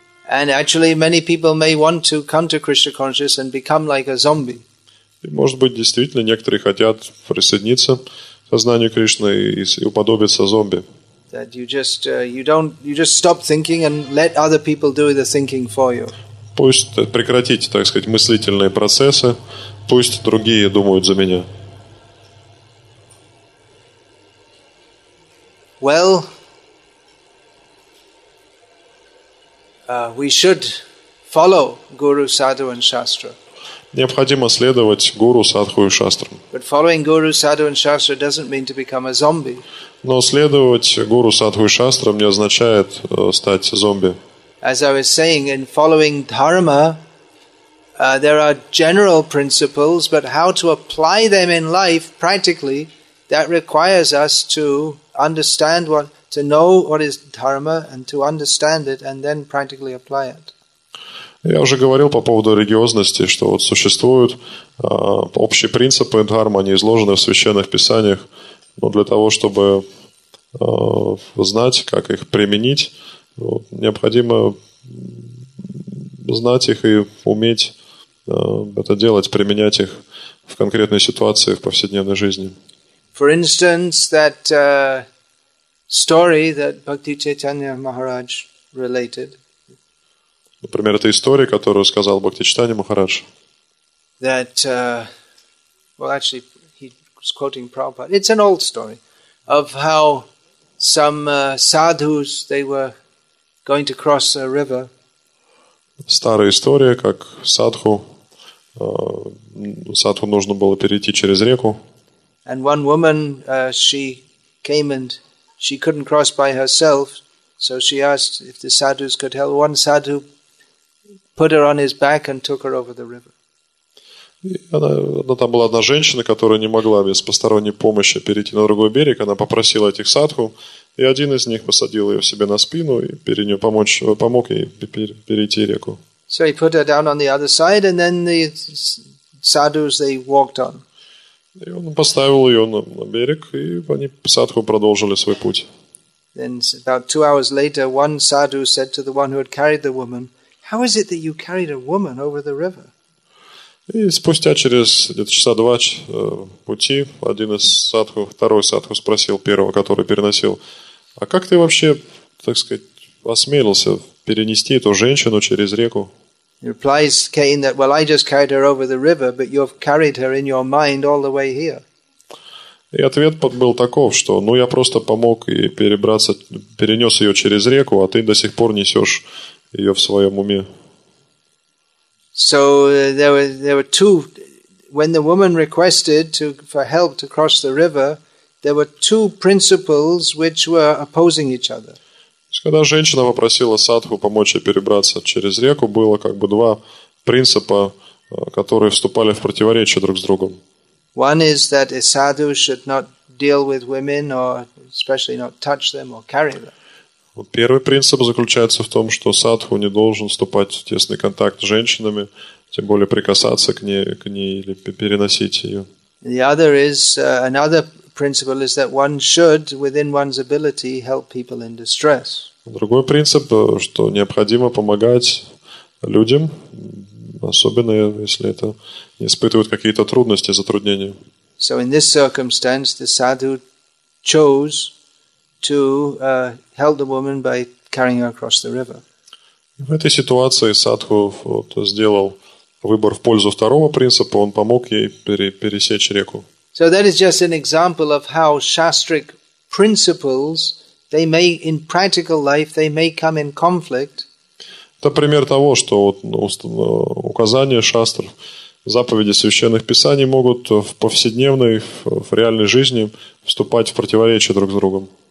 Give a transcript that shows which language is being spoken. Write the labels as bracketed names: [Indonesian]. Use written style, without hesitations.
[English] And actually, many people may want to come to Krishna consciousness and become like a zombie. [Russian] И, может быть, действительно, некоторые хотят присоединиться к сознанию Кришны и уподобиться зомби. [English] That you just stop thinking and let other people do the thinking for you. [Russian] Пусть прекратите, так сказать, мыслительные процессы, пусть другие думают за меня. [English] Well, we should follow Guru, Sadhu and Shastra. [Russian] Необходимо следовать Гуру, Садху и Шастрам. [English] But following Guru, Sadhu and Shastra doesn't mean to become a zombie. [Russian] Но следовать Гуру, Садху и Шастрам не означает стать зомби. [English] As I was saying, in following Dharma, there are general principles, but how to apply them in life practically, that requires us to understand what, to know what is Dharma and to understand it and then practically apply it. [Russian] Я уже говорил по поводу религиозности, что вот существуют общие принципы Дхармы, они изложены в священных писаниях, но для того, чтобы знать, как их применить, вот, необходимо знать их и уметь это делать, применять их в конкретной ситуации в повседневной жизни. [English] For instance, that story that Bhakti Chaitanya Maharaj related. [Russian] Например, эта история, которую сказал Бхакти Чайтанья Махарадж. [English] That, well, actually, he was quoting Prabhupada. It's an old story of how some sadhus, they were going to cross a river. [Russian] Старая история, как садху нужно было перейти через реку. [English] And one woman, she came and she couldn't cross by herself, so she asked if the sadhus could help. One sadhu put her on his back and took her over the river. [Russian] Она там была одна женщина, которая не могла без посторонней помощи перейти на другой берег. Она попросила этих садху, и один из них посадил ее себе на спину и помог ей перейти реку. [English] So he put her down on the other side, and then the sadhus, they walked on. [Russian] И он поставил ее на берег, и они садху продолжили свой путь. [English] Then about 2 hours later, one sadhu said to the one who had carried the woman, How is it that you carried a woman over the river? [Russian] И спустя через где-то часа два пути один из садху, второй садху спросил первого, который переносил: а как ты вообще, так сказать, осмелился перенести эту женщину через реку? [English] He replies, Cain, that well, I just carried her over the river, but you've carried her in your mind all the way here. [Russian] И ответ был таков, что, ну, я просто помог и перебраться, перенес ее через реку, а ты до сих пор несешь ее в своем уме. [English] So there were two. When the woman requested for help to cross the river, there were two principles which were opposing each other. [Russian] Когда женщина попросила садху помочь ей перебраться через реку, было как бы два принципа, которые вступали в противоречие друг с другом. [English] One is that a sadhu should not deal with women, or especially not touch them or carry them. [Russian] Первый принцип заключается в том, что садху не должен вступать в тесный контакт с женщинами, тем более прикасаться к ней или переносить ее. [English] The other is another principle is that one should, within one's ability, help people in distress. [Russian] Другой принцип, что необходимо помогать людям, особенно если это испытывают какие-то трудности, затруднения. [English] So in this circumstance, the sadhu chose to help the woman by carrying her across the river. [Russian] В этой ситуации садху сделал выбор в пользу второго принципа. Он помог ей пересечь реку. [English] So that is just an example of how shastric principles they may in practical life they may come in conflict. [Russian] Это пример того, что указания шастр, заповеди священных писаний могут в повседневной, в реальной жизни вступать в противоречие друг с другом.